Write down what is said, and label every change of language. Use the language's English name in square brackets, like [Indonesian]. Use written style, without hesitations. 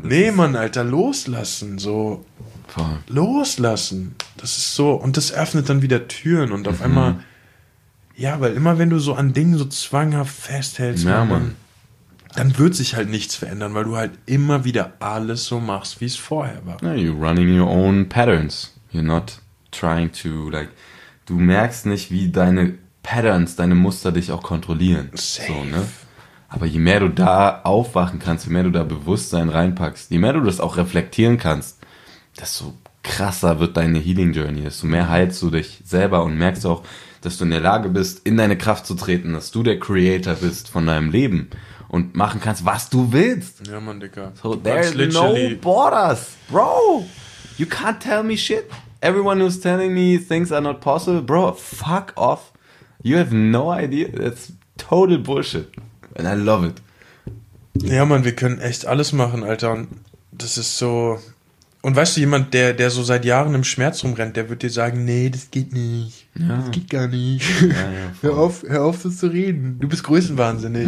[German] nee, Mann, Alter, loslassen, so. Voll. Loslassen. Das ist so. Und das öffnet dann wieder Türen und auf einmal. Ja, weil immer, wenn du so an Dingen so zwanghaft festhältst, ja, Mann, dann wird sich halt nichts verändern, weil du halt immer wieder alles so machst, wie es vorher war. [English] Yeah, you're running your own patterns. You're not trying to, like. [German] Du merkst nicht, wie deine Patterns, deine Muster dich auch kontrollieren. Safe. So, ne? Aber je mehr du da aufwachen kannst, je mehr du da Bewusstsein reinpackst, je mehr du das auch reflektieren kannst, desto krasser wird deine Healing Journey, desto mehr heilst du dich selber und merkst auch, dass du in der Lage bist, in deine Kraft zu treten, dass du der Creator bist von deinem Leben und machen kannst, was du willst. Ja, Mann, Dicker. [English] So, there's no borders, bro. You can't tell me shit. Everyone who's telling me things are not possible, bro, fuck off. You have no idea. That's total bullshit. And I love it. [German] Ja, Mann, wir können echt alles machen, Alter. Und das ist so. Und weißt du, jemand, der so seit Jahren im Schmerz rumrennt, der wird dir sagen, nee, das geht nicht. Ja. Das geht gar nicht. Ja, hör auf, das zu reden. Du bist größenwahnsinnig.